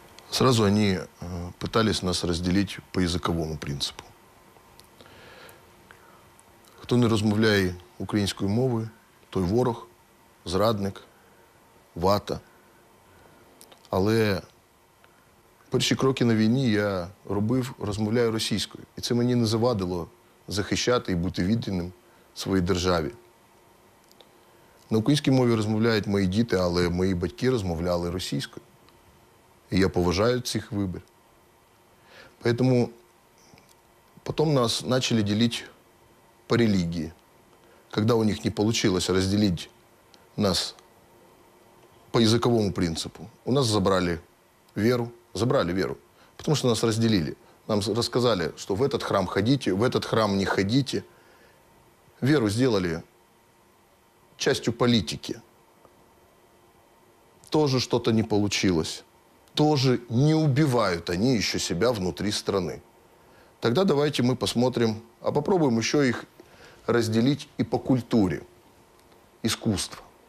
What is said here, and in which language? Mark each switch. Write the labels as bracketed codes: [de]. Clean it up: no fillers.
[ru] Сразу они пытались нас разделить по языковому принципу. [uk] Кто не розмовляє українською мовою, той ворог, зрадник, вата. Але перші кроки на війні я робив, розмовляю російською. І це мені не завадило захищати і бути відданим своїй державі. На українській мові розмовляють мої діти, але мої батьки розмовляли російською. І я поважаю цих вибір. [ru] Поэтому [uk] потім нас почали ділити по релігії. Коли у них не вийшло розділити нас по язиковому принципу, у нас забрали віру. Забрали віру, тому що нас розділили. Нам розказали, що [ru] в этот храм ходите, в этот храм не ходите. [uk] Віру зробили [ru] частью политики. Тоже что-то не получилось. Тоже не убивают они еще себя внутри страны. Тогда давайте мы посмотрим, а попробуем еще их разделить и по культуре, искусство.